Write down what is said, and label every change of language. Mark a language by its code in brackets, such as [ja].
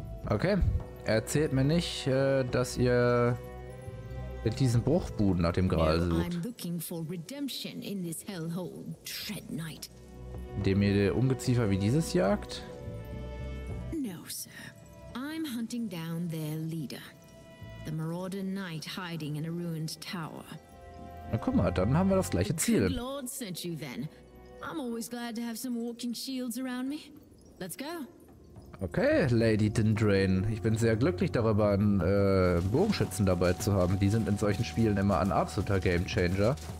[de] Okay, erzählt mir nicht, dass ihr mit diesem Bruchbuden nach dem Gral sucht. [en] I'm looking for redemption in this hellhole, Dread Knight. [de] Indem ihr Ungeziefer wie dieses jagt? [en] No, sir. I'm hunting down their leader. The Marauder Knight hiding in a ruined tower. [de] Na guck mal, dann haben wir das gleiche Ziel. [en] The Lord sent you then. I'm always glad to have some walking shields around me. Let's go. Okay, Lady Dindrain. [de] Ich bin sehr glücklich darüber, einen Bogenschützen dabei zu haben. Die sind in solchen Spielen immer ein absoluter Gamechanger.